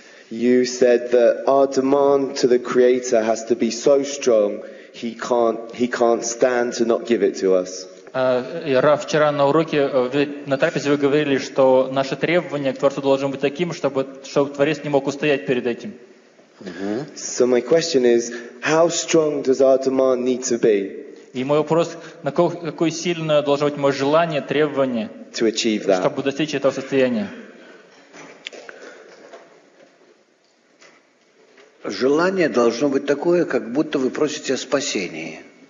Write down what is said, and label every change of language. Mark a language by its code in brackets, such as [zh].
[en] You said that our demand to the Creator has to be so strong, he can't stand to not give it to us. [ru] Рав, вчера на уроке, на трапезе вы говорили, что наше требование к Творцу должно быть таким, чтобы Творец не мог устоять перед этим. [en] So my question is, how strong does our demand need to be? [ru] И мой вопрос, на какое сильное должно быть мое желание, требование, [en] to achieve that. [ru] Чтобы достичь этого состояния? Желание должно быть такое, как будто вы просите о спасении.